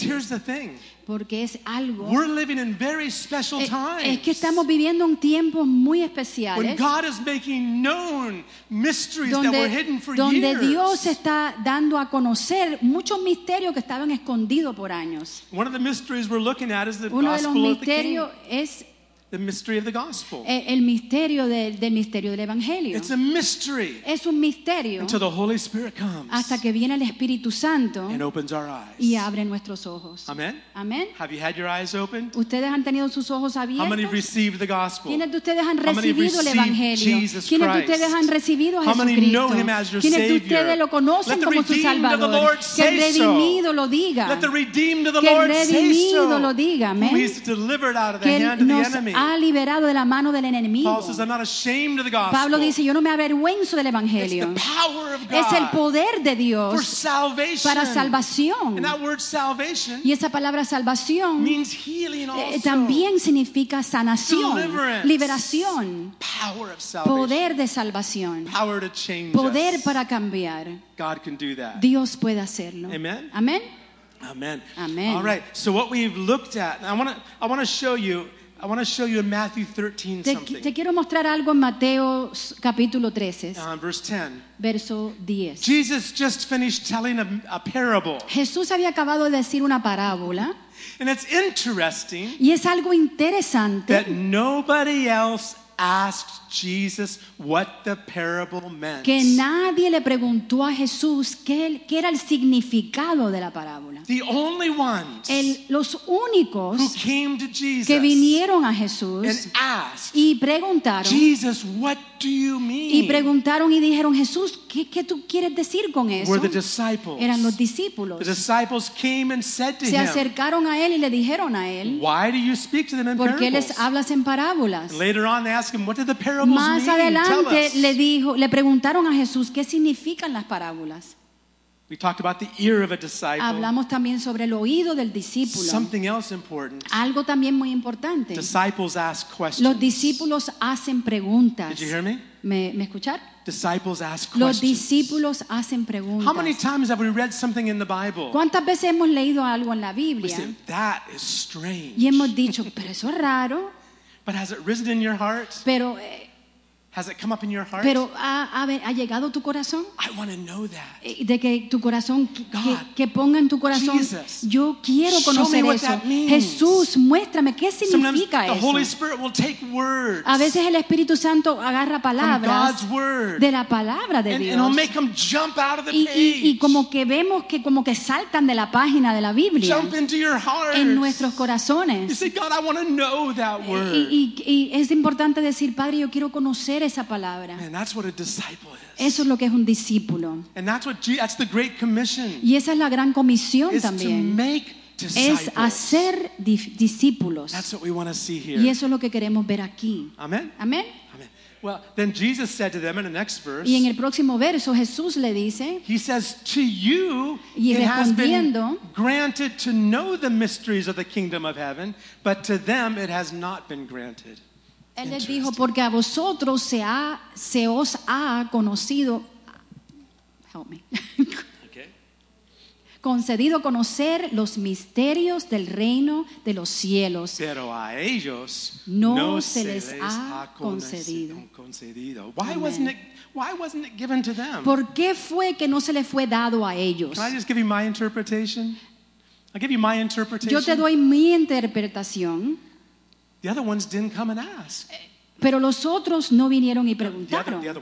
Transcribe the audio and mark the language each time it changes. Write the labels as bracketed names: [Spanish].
[English] Because here's the thing. [Spanish] Porque es algo. [English] We're living in very special times. [Spanish] Es que estamos viviendo un tiempo muy especial. [English] When God is making known mysteries that were hidden for years. [Spanish] Donde Dios está dando a conocer muchos misterios que estaban escondidos por años. [English] One of the mysteries we're looking at is the [Spanish] Uno de los misterios es [English] The mystery of the gospel. [Spanish] El misterio del misterio del evangelio. [English] It's a mystery. [Spanish] Es un misterio. [English] Until the Holy Spirit comes. [Spanish] Hasta que viene el Espíritu Santo. [English] And opens our eyes. [Spanish] Y abre nuestros ojos. [English] Amen. [Spanish] Amen. [English] Have you had your eyes opened? [Spanish] ¿Ustedes han tenido sus ojos abiertos? [English] How many have received the gospel? [Spanish] ¿Quiénes de ustedes han recibido el evangelio? [English] Jesus Christ. [Spanish] ¿Quiénes de ustedes han recibido a Jesucristo? [English] How many know him as your savior? [Spanish] ¿Quiénes de ustedes lo conocen como su salvador? Que el redimido lo diga. [English] Let the redeemed of the Lord say so. [Spanish] Que el redimido lo diga. Amen. [English] Who he's delivered out of the hand of the enemy. [Spanish] Ha liberado de la mano del enemigo. [English] Paul says, I'm not ashamed of the gospel. [Spanish] Pablo dice, yo no me avergüenzo del evangelio. [English] It's the power of God. [Spanish] Es el poder de Dios [English] for salvation. [Spanish] Para salvación. [English] And that word salvation, [Spanish] y esa palabra salvación, [English] means healing also. [Spanish] También significa sanación. [English] Deliverance. [Spanish] Liberación. [English] Power of salvation. [Spanish] Poder de salvación. [English] Power to change. [Spanish] Poder [English] us. [Spanish] Para cambiar. [English] God can do that. [Spanish] Dios puede hacerlo. [English] Amen. [Spanish] Amen. [English] Amen. [Spanish] Amen. [English] All right. So what we've looked at, I want to show you in Matthew 13 something. [Spanish] Te quiero mostrar algo en Mateo capítulo 13. [English] Verse 10. [Spanish] Verso 10. [English] Jesus just finished telling a parable. [Spanish] Jesús había acabado de decir una parábola. [English] And it's interesting. [Spanish] Y es algo interesante. [English] That nobody else asked Jesus what the parable meant. [Spanish] Que nadie le preguntó a Jesús qué era el significado de la parábola. [English] The only ones [Spanish] los únicos [English] who came to Jesus [Spanish] que vinieron a Jesús [English] and asked, [Spanish] y preguntaron, [English] Jesus, what do you mean? [Spanish] Y preguntaron y dijeron, Jesús, ¿qué tú quieres decir con eso? [English] Were the disciples. [Spanish] Eran los discípulos. [English] The disciples came and said to [Spanish] se acercaron [English] him, [Spanish] a él y le dijeron a él, [English] why do you speak to them in [Spanish] ¿por qué [English] parables? [Spanish] Les hablas en parábolas? [English] Later on they asked him, what did the [Spanish] más adelante le preguntaron a Jesús qué significan las parábolas. [English] We talked about the ear of a disciple. [Spanish] Hablamos también sobre el oído del discípulo. [English] Something else important. [Spanish] Algo también muy importante. [English] Disciples ask questions. [Spanish] Los discípulos hacen preguntas. [English] Did you hear me? [Spanish] ¿Me escuchar? [English] Disciples ask questions. [Spanish] Los discípulos hacen preguntas. [English] How many times have we read something in the Bible? [Spanish] ¿Cuántas veces hemos leído algo en la Biblia? [English] We said, that is strange. [Spanish] Y hemos dicho, pero eso es raro. [English] But has it risen in your heart? [Spanish] Pero, [English] has it come up in your heart? [Spanish] Pero ha llegado tu corazón? [English] I want to know that. [Spanish] De que tu corazón, que ponga en tu corazón. [English] Jesus, [Spanish] yo quiero conocer [English] show me [Spanish] eso. [English] What that means. [Spanish] Jesús, muéstrame qué significa [English] sometimes [Spanish] eso. [English] The Holy Spirit will take words. [Spanish] A veces el Espíritu Santo agarra palabras [English] from God's word, [Spanish] de la palabra de Dios. [English] And it'll make them jump out of the page. [Spanish] Y como que vemos que como que saltan de la página de la Biblia. [English] Jump into your heart. [Spanish] En nuestros corazones. [English] You say, God, I want to know that word. [Spanish] Y es importante decir, Padre, yo quiero conocer esa palabra. [English] Man, that's what a disciple is. [Spanish] Eso es lo que es un discípulo. [English] And that's what that's the great commission. [Spanish] Y esa es la gran comisión también. [English] To make disciples. [Spanish] Es hacer discípulos. [English] That's what we want to see here. [Spanish] Y eso es lo que queremos ver aquí. [English] Amen. [Spanish] Amen. [English] Amen. Well, then Jesus said to them in the next verse. [Spanish] Y en el próximo verso Jesús le dice. [English] He says to you, it has been granted to know the mysteries of the kingdom of heaven, but to them it has not been granted. [Spanish] Él les dijo, porque a vosotros se os ha conocido, [English] help me, okay. [Spanish] Concedido conocer los misterios del reino de los cielos, pero a ellos no se les ha concedido. [English] Why wasn't it given to them? [Spanish] ¿Por qué fue que no se les fue dado a ellos? [English] Can I just give you my interpretation? I'll give you my interpretation. [Spanish] Yo te doy mi interpretación. [English] The other ones didn't come and ask. [Spanish] Pero los otros no vinieron y preguntaron.